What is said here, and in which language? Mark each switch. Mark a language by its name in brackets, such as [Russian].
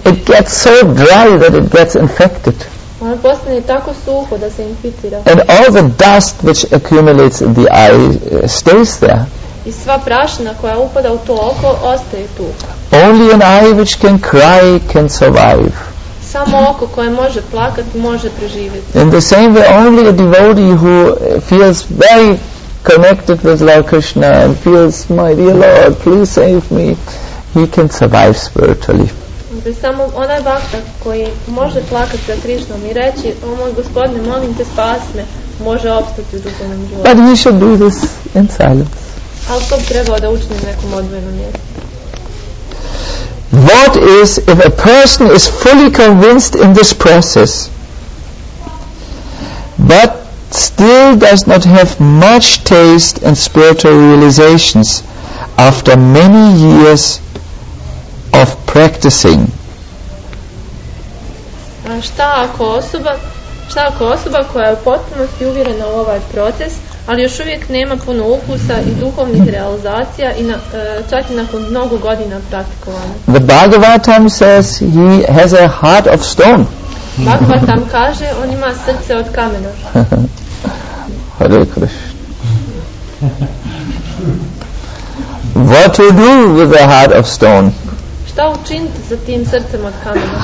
[English] It gets so dry that it gets infected. [Bosnian] Ono postane tako suho da se infitira. [English] And all the dust which accumulates in the eye stays there. [Bosnian] I sva prašina koja upada u to oko ostaje tu. [English] Only an eye which can cry can survive. [Bosnian] Samo oko koje može plakati može preživjeti. [English] In the same way, only a devotee who feels very connected with Lord Krishna and feels, my dear Lord, please save me, he can survive spiritually. [Bosnian] Samo onaj bhakta koji može plakati za Krishnom i reći, o moj gospodine, molim te spas me, može opstati u duhovnom životu. [English] But he should do this in silence. [Bosnian] Ali to bi trebalo da učinim nekom odvojenom mjestu. [English] What is, if a person is fully convinced in this process, but still does not have much taste and spiritual realizations after many years of practicing? [Bosnian] Šta ako osoba koja je u potpunosti uvjerena u ovaj proces, ali još uvijek nema puno ukusa i duhovnih realizacija i čak i nakon mnogo godina praktikovanja. [English] The Bhagavatam says he has a heart of stone. [Bosnian] Bhagavatam kaže on ima srce od kamena. [Sanskrit] Hare Krishna. [English] What to do with a heart of stone? [Bosnian] Šta učiniti sa tim srcem od kamena?